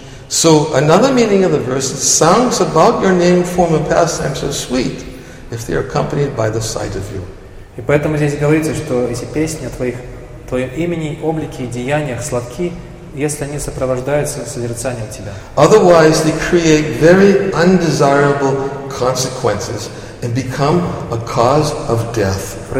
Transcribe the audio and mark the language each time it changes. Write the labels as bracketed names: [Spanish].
[English] So another meaning of the verse is songs about your name, form, and pastimes are sweet if they are accompanied by the sight of you. [Russian] И поэтому здесь говорится, что эти песни о твоем имени, облике и деяниях сладки, если они сопровождаются созерцанием тебя. [English] Otherwise, they create very undesirable consequences and become a cause of death.